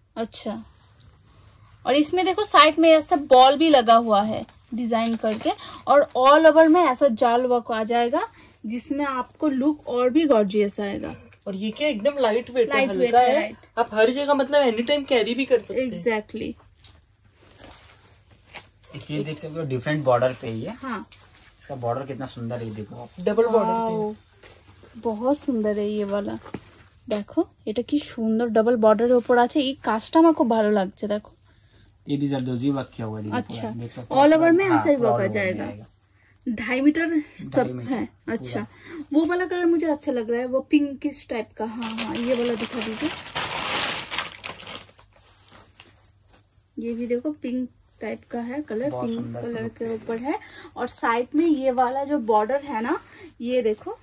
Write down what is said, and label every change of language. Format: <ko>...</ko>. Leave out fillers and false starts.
<hi>अच्छा, और इसमें देखो साइड में ऐसा बॉल भी लगा हुआ है डिजाइन करके, और ऑल ओवर में ऐसा जाल वर्क आ जाएगा जिसमें आपको लुक और भी गॉर्जियस आएगा। और ये क्या एकदम लाइट वेट है, हल्का है, आप हर जगह मतलब एनी टाइम कैरी भी कर सकते हैं। एग्जैक्टली, एक ये देख सकते हो डिफरेंट बॉर्डर पे ही है। हाँ, इसका बॉर्डर कितना सुंदर है, देखो डबल बॉर्डर, बहुत सुंदर है ये वाला, देखो</hi> <bn>এটা কি সুন্দর ডাবল বর্ডারের উপর আছে, এই কাজটা আমার খুব ভালো লাগছে, দেখো</bn> <hi>এই ভি জারদোজি ওয়ার্ক किया हुआ है। अच्छा, ऑल ओवर में ऐसा ही वर्क आ जाएगा। 2.5 मीटर सब है। अच्छा, वो वाला कलर मुझे अच्छा लग रहा है, वो पिंक किस टाइप का? हाँ हाँ, ये वाला दिखा दीजिए, ये भी देखो पिंक टाइप का है कलर, पिंक कलर के ऊपर है, और साइड में ये वाला जो बॉर्डर है ना, ये देखो</hi>